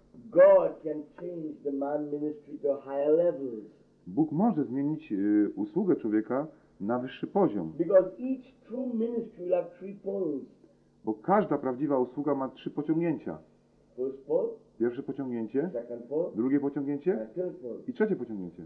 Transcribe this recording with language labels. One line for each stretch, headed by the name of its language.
English: God can change the man ministry to higher levels.
Polish: Bóg może zmienić usługę człowieka na wyższy poziom.
English: Because each true ministry will have three poles.
Polish: Bo każda prawdziwa usługa ma trzy pociągnięcia.
English: First pole.
Polish: Pierwsze pociągnięcie,
English: pole,
Polish: drugie pociągnięcie
English: pole,
Polish: i trzecie pociągnięcie.